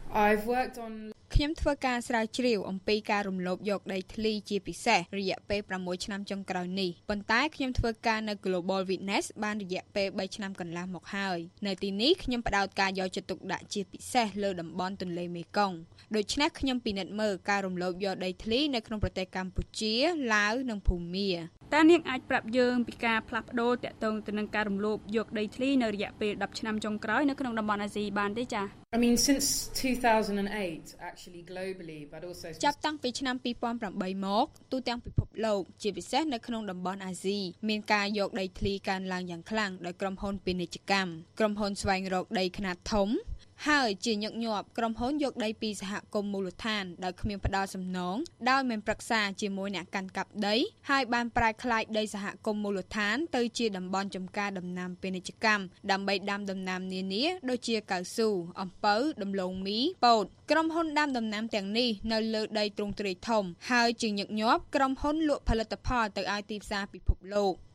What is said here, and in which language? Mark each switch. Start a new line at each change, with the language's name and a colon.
English: I've worked on
Khmer: ខ្ញុំធ្វើការស្រាវជ្រាវអំពីការរំលោភយកដីធ្លីជាពិសេសរយៈពេល6ឆ្នាំចុងក្រោយនេះប៉ុន្តែខ្ញុំធ្វើការនៅ Global Witness បានរយៈពេល3ឆ្នាំកន្លងមកហើយនៅទីនេះខ្ញុំផ្ដោតការយកចិត្តទុកដាក់ជាពិសេសលើតំបន់ទន្លេមេគង្គដូច្នេះខ្ញុំពិនិត្យមើលការរំលោភយកដីធ្លីនៅក្នុងប្រទេសកម្ពុជាឡាវនិងភូមា តើអ្នកអាចប្រាប់យើងពីការផ្លាស់ប្ដូរតាក់ទងទៅនឹងការរំលោភយកដីធ្លីនៅរយៈពេល10ឆ្នាំចុងក្រោយនៅក្នុងតំបន់អាស៊ីបានទេចា
English: I mean since 2008 actually globally but also
Khmer: ចាប់តាំងពីឆ្នាំ2008មកទូទាំងពិភពលោកជាពិសេសនៅក្នុងតំបន់អាស៊ីមានការយកដីធ្លីកើនឡើងយ៉ាងខ្លាំងដោយក្រុមហ៊ុនពាណិជ្ជកម្មក្រុមហ៊ុនស្វែងរកដីខ្នាតធំ ហើយជាញឹកញាប់ក្រុមហ៊ុនយកដីពីសហគមន៍មូលដ្ឋានដែលគ្មានផ្ដាល់សំណងដោយមានប្រឹក្សាជាមួយអ្នកកាន់កាប់ដីហើយបានប្រែក្លាយដីសហគមន៍មូលដ្ឋានទៅជាតំបន់ចំការដំណាំពាណិជ្ជកម្មដើម្បីដាំដំណាំនានាដូចជាកៅស៊ូអំពៅដំឡូងមីពោតក្រុមហ៊ុនដាំដំណាំទាំងនេះនៅលើដីទ្រង់ទ្រាយធំហើយជាញឹកញាប់ក្រុមហ៊ុនលក់ផលិតផលទៅឲ្យទីផ្សារពិភពលោក